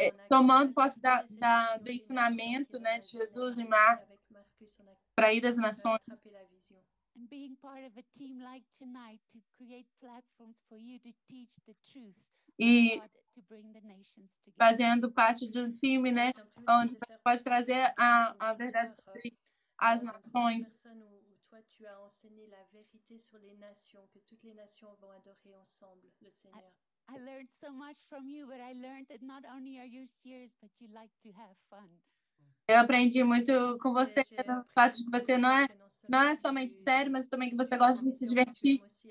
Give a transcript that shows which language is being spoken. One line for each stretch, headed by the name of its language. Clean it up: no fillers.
Portuguese: Tomando posse do ensinamento, né, de Jesus e Marcos para ir às nações.
English: And being part of a team like tonight to create platforms for you to teach the truth e to bring the nations together.
Portuguese: Fazendo parte de um time, né, onde você pode trazer a verdade sobre as nações.
French: Toi, tu as enseigné la vérité sur les nations, que toutes les nations vont adorer ensemble le Seigneur.
English: I learned so much from you, but I learned that not only are you serious, but you like to have fun.
Portuguese: Eu aprendi muito com você, o fato de que você não é somente sério, mas também que você gosta de se divertir.